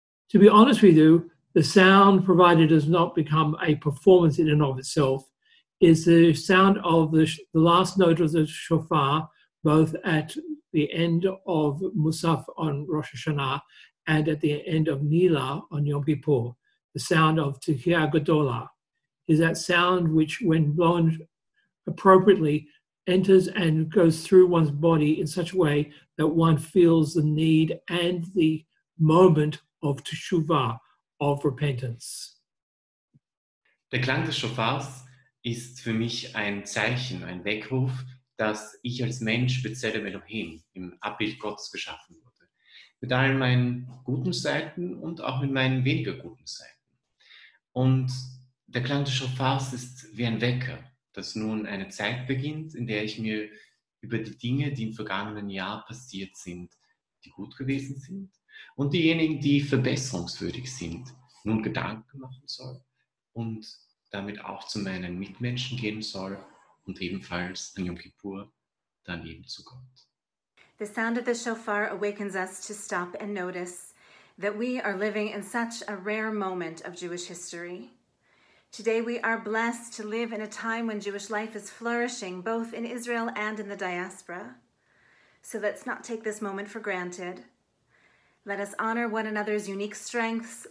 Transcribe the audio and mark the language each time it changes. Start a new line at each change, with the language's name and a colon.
English: To be honest with you, the sound, provided it has not become a performance in and of itself, is the sound of the last note of the shofar, both at the end of Musaf on Rosh Hashanah and at the end of Nila on Yom Kippur, the sound of Tehillah Gedolah. Is that sound which, when blown appropriately, enters and goes through one's body in such a way that one feels the need and the moment of teshuvah, of repentance.
German: Der Klang des Shofars ist für mich ein Zeichen, ein Weckruf, dass ich als Mensch
Hebrew: B'Tselem Elohim,
German: im Abbild Gottes, geschaffen wurde. Mit all meinen guten Seiten und auch mit meinen weniger guten Seiten. Und der Klang des Shofars ist wie ein Wecker, dass nun eine Zeit beginnt, in der ich mir über die Dinge, die im vergangenen Jahr passiert sind, die gut gewesen sind, und diejenigen, die verbesserungswürdig sind, nun Gedanken machen soll und damit auch zu meinen Mitmenschen gehen soll und ebenfalls an Yom Kippur dann eben zu Gott.
English: The sound of the shofar awakens us to stop and notice that we are living in such a rare moment of Jewish history. Today we are blessed to live in a time when Jewish life is flourishing, both in Israel and in the diaspora. So let's not take this moment for granted. Let us honor one another's unique strengths.